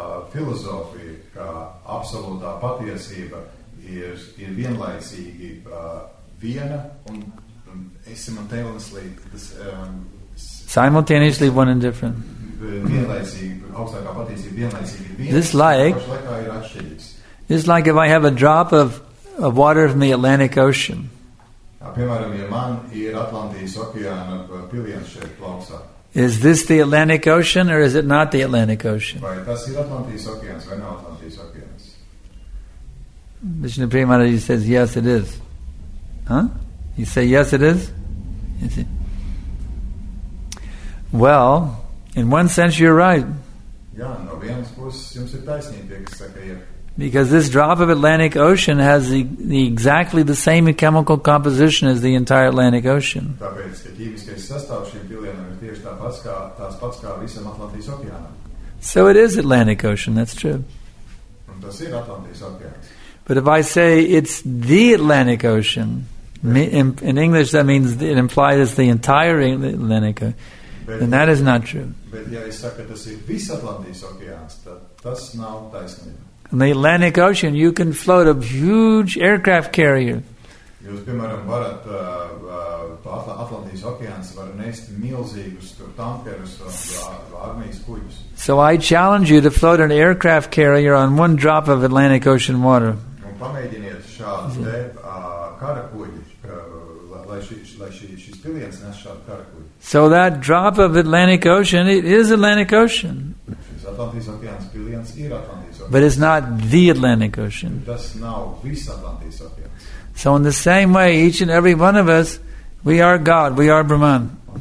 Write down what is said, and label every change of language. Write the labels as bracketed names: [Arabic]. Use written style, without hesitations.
[Latvian] Philosophy, ka absolūtā patiesība ir vienlaicīgi viena un [English] simultaneously simultaneously one and different. [Latvian] Augstākā patiesība vienlaicīgi ir viena. [English] This like if I have a drop of water from the Atlantic Ocean. [Latvian] Piemēram, ja man ir Atlantijas okeāna piliens šeit plauksā. [English] Is this the Atlantic Ocean or is it not the Atlantic Ocean? [Latvian] Vai tas ir Atlantijas okeāns vai nav Atlantijas okeāns? [English] Vishnu Premāraji says, yes, it is. Huh? You say, yes, it is? Is it? Well, in one sense, you're right. [Latvian] Jā, no vienas puses jums ir taisnība, kas saka, ja. [English] Because this drop of Atlantic Ocean has exactly the same chemical composition as the entire Atlantic Ocean. So it is Atlantic Ocean, that's true. But if I say it's the Atlantic Ocean, in English that means it implies it's the entire Atlantic Ocean, then that is not true. But if I say it's the Atlantic Ocean, that's not true. In the Atlantic Ocean, you can float a huge aircraft carrier. [Latvian] Jūs, piemēram, varat Atlantijas okeāns var nest milzīgus tur tankerus armijas kuģus. [English] So I challenge you to float an aircraft carrier on one drop of Atlantic Ocean water. [Latvian] Un pamēģiniet šāds te kara kuģi, lai šis piliens nes šādu kara kuģi. [English] So that drop of Atlantic Ocean, it is Atlantic Ocean. [Latvian] Atlantijas okeāns piliens ir Atlantijas. [English] But it's not the Atlantic Ocean. That's now this Atlantic Ocean. So in the same way, each and every one of us, we are God, we are Brahman.